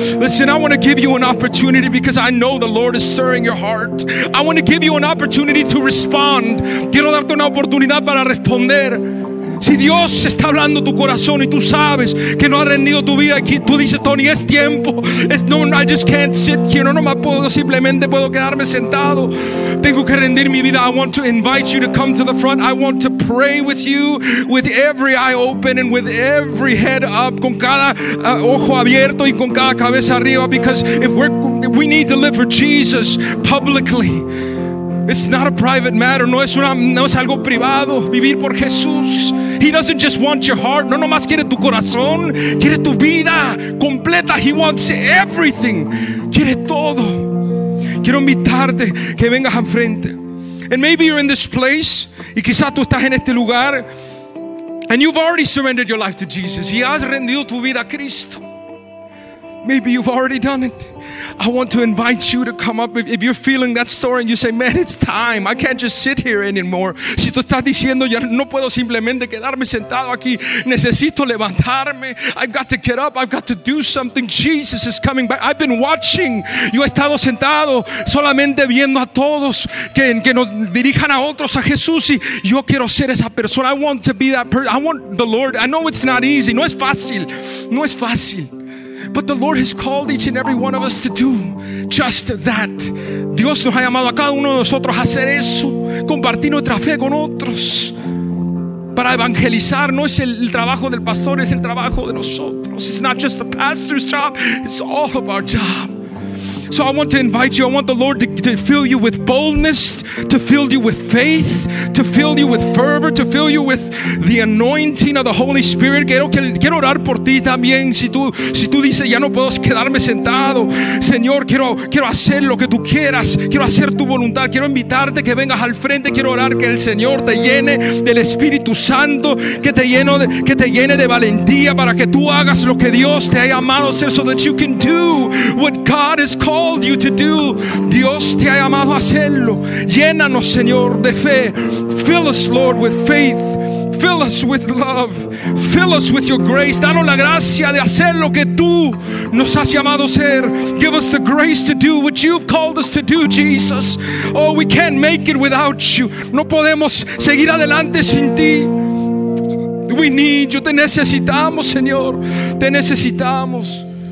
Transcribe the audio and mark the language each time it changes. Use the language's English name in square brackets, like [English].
[English] Listen, I want to give you an opportunity because I know the Lord is stirring your heart. I want to give you an opportunity to respond. [Spanish] Quiero darte una oportunidad para responder. Si Dios está hablando tu corazón y tú sabes que no ha rendido tu vida aquí, tú dices, Tony, es tiempo. [English] It's, no, I just can't sit here. [Spanish] No puedo quedarme sentado. Tengo que rendir mi vida. [English] I want to invite you to come to the front. I want to pray with you with every eye open and with every head up, [Spanish] con cada ojo abierto y con cada cabeza arriba, [English] because if we need to live for Jesus publicly. It's not a private matter. [Spanish] No es algo privado. Vivir por Jesús. [English] He doesn't just want your heart. [Spanish] No nomás quiere tu corazón. Quiere tu vida completa. [English] He wants everything. [Spanish] Quiere todo. Quiero invitarte que vengas al frente. [English] And maybe you're in this place. [Spanish] Y quizás tú estás en este lugar. [English] And you've already surrendered your life to Jesus. [Spanish] Y has rendido tu vida a Cristo. [English] Maybe you've already done it. I want to invite you to come up. If you're feeling that story and you say, man, it's time. I can't just sit here anymore. [Spanish] Si tú estás diciendo, ya no puedo simplemente quedarme sentado aquí. Necesito levantarme. [English] I've got to get up. I've got to do something. Jesus is coming back. I've been watching. [Spanish] Yo he estado sentado solamente viendo a todos que nos dirijan a otros a Jesús. Y yo quiero ser esa persona. [English] I want to be that person. I want the Lord. I know it's not easy. [Spanish] No es fácil. No es fácil. [English] But the Lord has called each and every one of us to do just that. [Spanish] Dios nos ha llamado a cada uno de nosotros a hacer eso, compartir nuestra fe con otros, para evangelizar. No es el trabajo del pastor, es el trabajo de nosotros. [English] It's not just the pastor's job, it's all of our job. So I want to invite you, I want the Lord to fill you with boldness, to fill you with faith, to fill you with fervor, to fill you with the anointing of the Holy Spirit. [Spanish] Quiero orar por ti también. Si tú dices, ya no puedo quedarme sentado, Señor, quiero hacer lo que tú quieras, quiero hacer tu voluntad, quiero invitarte que vengas al frente, quiero orar que el Señor te llene del Espíritu Santo, que te llene de valentía para que tú hagas lo que Dios te ha llamado a hacer, [English] so that you can do what God has called you to do. [Spanish] Dios te ha llamado a hacerlo. Llénanos, Señor, de fe. [English] Fill us, Lord, with faith. Fill us with love. Fill us with your grace. [Spanish] Danos la gracia de hacer lo que tú nos has llamado a hacer. [English] Give us the grace to do what you've called us to do, Jesus. Oh, we can't make it without you. [Spanish] No podemos seguir adelante sin ti. [English] We need you. [Spanish] Te necesitamos, Señor. Te necesitamos.